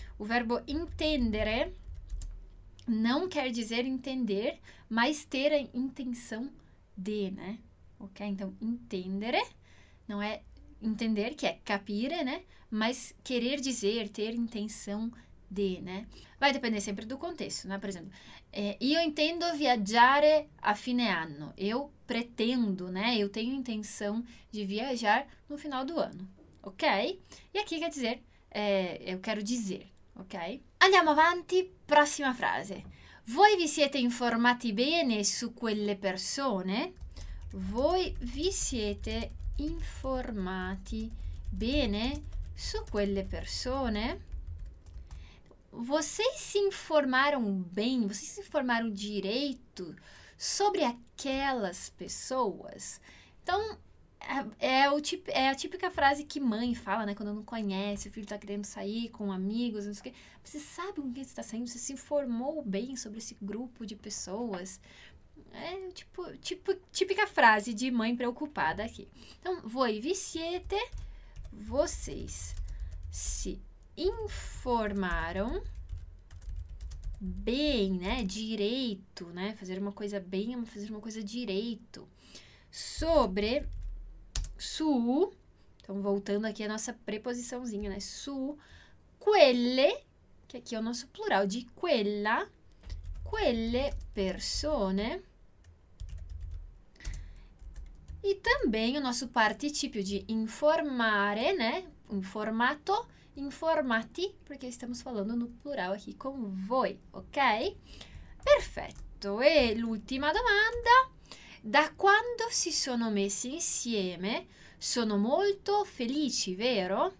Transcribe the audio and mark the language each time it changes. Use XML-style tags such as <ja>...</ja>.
<pt>O verbo intendere não quer dizer entender, mas ter a intenção de, né? Ok? Então, intendere não é entender, que é capire, né? Mas querer dizer, ter intenção de, né? Vai depender sempre do contexto, né? Por exemplo,</pt> <it>io intendo viaggiare a fine anno.</it> <pt>Eu pretendo, né? Eu tenho intenção de viajar no final do ano, ok? E aqui quer dizer, eu quero dizer, ok?</pt> <it>Andiamo avanti, prossima frase. Voi vi siete informati bene su quelle persone? Voi vi siete informati bene su quelle persone?</it> <pt>Vocês se informaram bem, vocês se informaram direito sobre aquelas pessoas? Então, é a típica frase que mãe fala, né? Quando não conhece, o filho tá querendo sair com amigos, não sei o quê. Você sabe com quem você tá saindo? Você se informou bem sobre esse grupo de pessoas? É típica frase de mãe preocupada aqui. Então,</pt> <it>voi vi siete,</it> <pt>vocês se informaram bem, né? Direito, né? Fazer uma coisa bem, fazer uma coisa direito. Sobre, su, então voltando aqui a nossa preposiçãozinha, né? Su, quelle, que aqui é o nosso plural de quella,</pt> <it>quelle persone.</it> <pt>E também o nosso participio de informare, né?</pt> <it>Informato, informati, perché stiamo parlando no plurale qui con voi, ok? Perfetto, e l'ultima domanda. Da quando si sono messi insieme, sono molto felici, vero?</it>